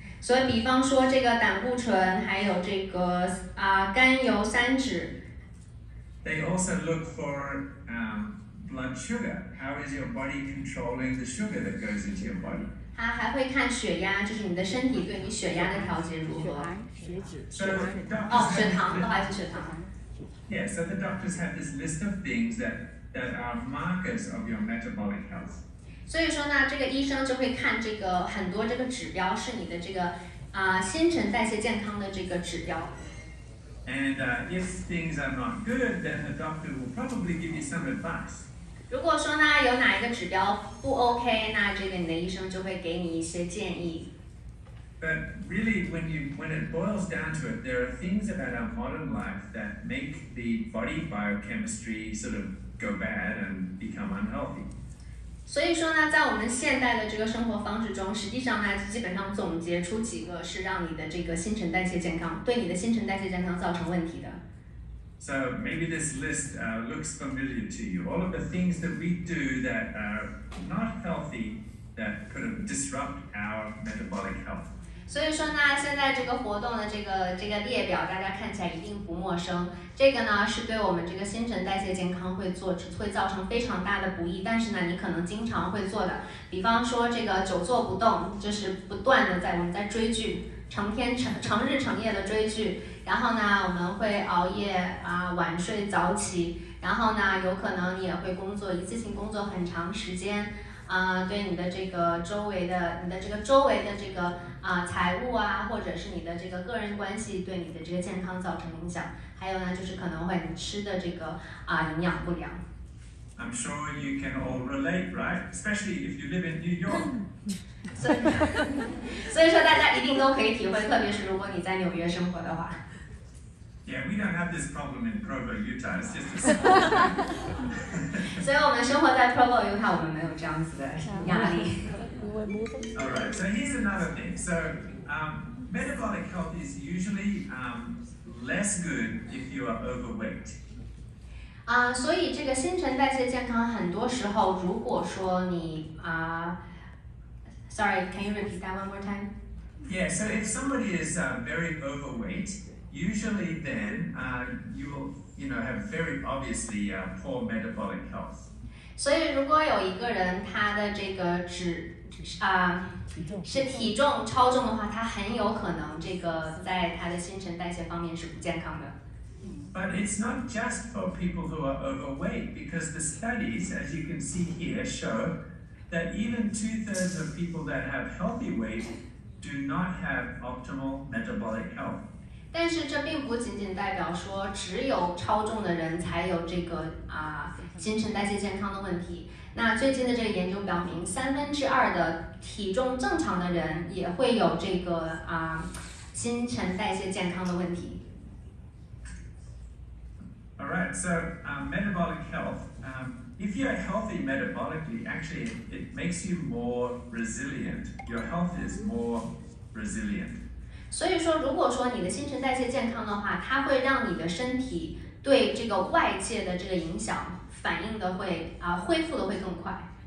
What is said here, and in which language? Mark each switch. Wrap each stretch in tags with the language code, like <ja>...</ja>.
<zh>所以比方说这个胆固醇还有这个甘油三酯。</zh> <en>They also look for blood sugar. How is your body controlling the sugar that goes into your body?</en> <zh>它还会看血压，就是你的身体对你血压的调节如何。血糖，不好意思，血糖。</zh> <en>Yeah, so the doctors have this list of things that are markers of your metabolic health.</en> <zh>所以说呢，这个医生就会看这个很多这个指标是你的这个新陈代谢健康的这个指标。</zh> <en>And if things are not good, then the doctor will probably give you some advice.</en> <zh>如果说呢有哪一个指标不 OK, 那这个你的医生就会给你一些建议。</zh> <en>But really, when it boils down to it, there are things about our modern life that make the body biochemistry sort of go bad and become unhealthy.</en> <zh>所以说呢，在我们现代的这个生活方式中，实际上呢，基本上总结出几个是让你的这个新陈代谢健康，对你的新陈代谢健康造成问题的。</zh> <en>So maybe this list looks familiar to you. All of the things that we do that are not healthy that could disrupt our metabolic health.</en> <zh>所以说呢，现在这个活动的这个列表，大家看起来一定不陌生。这个呢，是对我们这个新陈代谢健康会造成非常大的不益。但是呢，你可能经常会做的，比方说这个久坐不动，就是不断的在我们在追剧。成日成夜的追剧，然后呢，我们会熬夜啊，晚睡早起，然后呢，有可能你也会工作，一次性工作很长时间，啊，对你的这个周围的，你的这个周围的这个啊财务啊，或者是你的这个个人关系，对你的这个健康造成影响。还有呢，就是可能会你吃的这个啊营养不良。</zh> <en>I'm sure you can all relate, right? Especially if you live in New York.</en> <zh>所以说大家一定都可以体会，特别是如果你在纽约生活的话。</zh> <en>Yeah, we don't have this problem in Provo, Utah. It's just a small thing.</en> <zh>所以我们生活在 Provo, Utah, 我们没有这样子的压力。</zh> <en>All right, so here's another thing. So, metabolic health is usually less good if you are overweight.</en> <zh>所以这个新陈代谢健康很多时候，如果说你啊。</zh> <en>Sorry, can you repeat that one more time? Yeah, so if somebody is very overweight, usually then you will, you know, have very obviously poor metabolic health.</en> <zh>所以如果有一个人他的这个脂啊、是体重超重的话，他很有可能这个在他的新陈代谢方面是不健康的。</zh> <en>But it's not just for people who are overweight, because the studies, as you can see here, show. That even 2/3 of people that have healthy weight do not have optimal metabolic health.</en> <zh>但是这并不仅仅代表说只有超重的人才有这个啊新陈代谢健康的问题。那最近的这个研究表明，2/3的体重正常的人也会有这个啊新陈代谢健康的问题。</zh> <en>All right, so metabolic health. If you're healthy metabolically, actually, it makes you more resilient. Your health is more resilient.</en> <zh>所以说，如果说你的新陈代谢健康的话，它会让你的身体对这个外界的这个影响反应的会啊、恢复的会更快。</zh>